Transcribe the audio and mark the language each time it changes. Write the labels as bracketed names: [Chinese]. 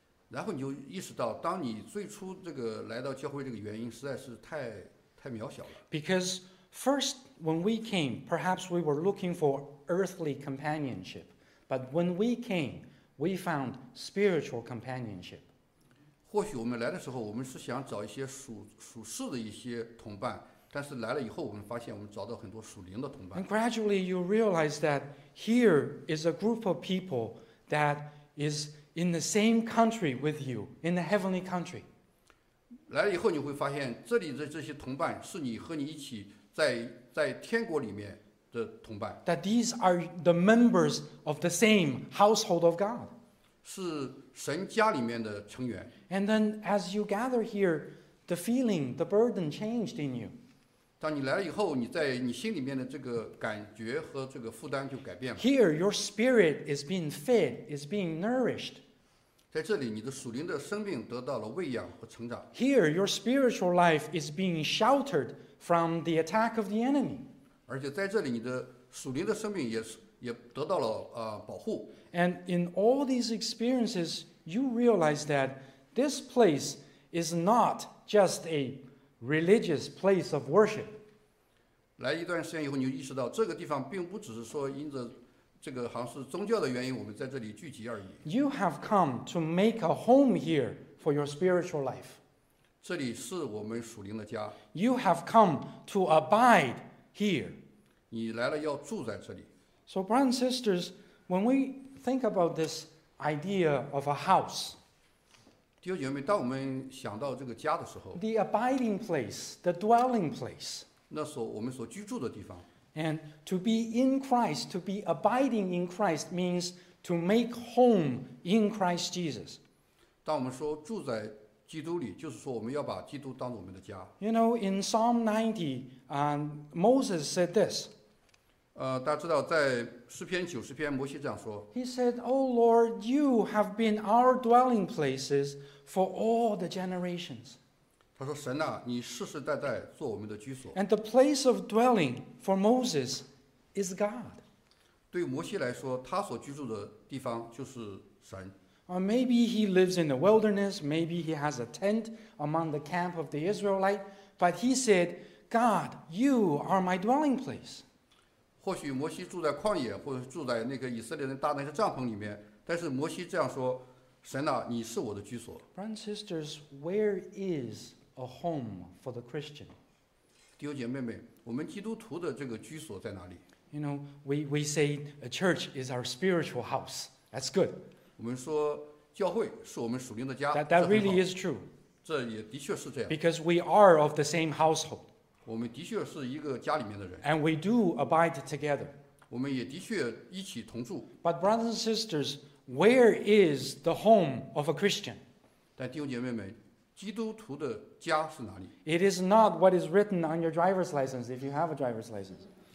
[Chinese] 然后你就意识到，当你最初这个来到教会这个原因实在是太渺小了。 [English] Because first, when we came, perhaps we were looking for earthly companionship. But when we came, we found spiritual companionship. [Chinese] 或许我们来的时候，我们是想找一些属世的一些同伴。但是来了以后，我们发现我们找到很多属灵的同伴。 [English] And gradually you realize that here is a group of people that is in the same country with you in the heavenly country. [Chinese] 来了以后，你会发现这里的这些同伴是你和你一起在天国里面的同伴。 [English] That these are the members of the same household of God. [Chinese] 是神家里面的成员。 [English] And then as you gather here, the feeling, the burden changed in you. [Chinese] 当你来了以后，你在你心里面的这个感觉和这个负担就改变了。 [English] Here, your spirit is being fed, is being nourished. [Chinese] 在这里，你的属灵的生命得到了喂养和成长。 [English] Here, your spiritual life is being sheltered from the attack of the enemy. [Chinese] 而且在这里，你的属灵的生命也得到了保护。 [English] And in all these experiences, you realize that this place is not just a religious place of worship. [Chinese] 来一段时间以后，你就意识到这个地方并不只是说因着这个好像是宗教的原因，我们在这里聚集而已。 [English] You have come to make a home here for your spiritual life. [Chinese] 这里是我们属灵的家。 [English] You have come to abide here. [Chinese] 你来了要住在这里。 [English] So, brothers and sisters, when we think about this idea of a house. [Chinese] 弟兄姐妹，当我们想到这个家的时候 [English] ，the abiding place, the dwelling place， [Chinese] 那所我们所居住的地方 [English] ，and to be in Christ, to be abiding in Christ means to make home in Christ Jesus。 [Chinese] 当我们说住在基督里，就是说我们要把基督当作我们的家。 [English] You know, in Psalm 90, Moses said this。 [Chinese] 大家知道在诗篇九十篇摩西这样说 [English] He said, O Lord, you have been our dwelling places for all the generations. [Chinese] 他说神啊你世世代代做我们的居所 [English] And the place of dwelling for Moses is God. [Chinese] 对摩西来说他所居住的地方就是神 [English] Or maybe he lives in the wilderness, maybe he has a tent among the camp of the Israelite, but he said, God, you are my dwelling place. [Chinese] 或许摩西住在旷野，或者住在那个以色列人搭那些帐篷里面。但是摩西这样说：“神啊，你是我的居所。” [English] Brothers and sisters, where is a home for the Christian? [Chinese] 弟兄姐妹们，我们基督徒的这个居所在哪里 [English] ？You know, we say a church is our spiritual house. That's good. [Chinese] 我们说教会是我们属灵的家。 [English] That really is true. [Chinese] 这也的确是这样。 [English] Because we are of the same household. [Chinese] 我们的确是一个家里面的人 [English] And we do abide together. [Chinese] 我们也的确一起同住 [English] But brothers and sisters, where is the home of a Christian? [Chinese] 但弟兄姐妹们，基督徒的家是哪里？ [English] It is not what is written on your driver's license if you have a driver's license.